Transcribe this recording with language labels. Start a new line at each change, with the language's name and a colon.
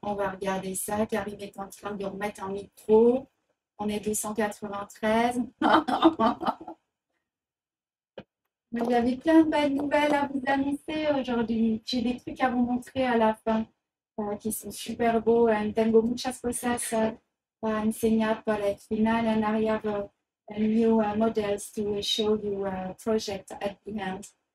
French: On va regarder ça. Karim est en train de remettre un micro. On est 293. Mais j'avais plein de belles nouvelles à vous annoncer aujourd'hui. J'ai des trucs à vous montrer à la fin qui sont super beaux.
Spanish: Tengo muchas cosas à enseñar para el final.
English: And I have new models to show you a project at the end.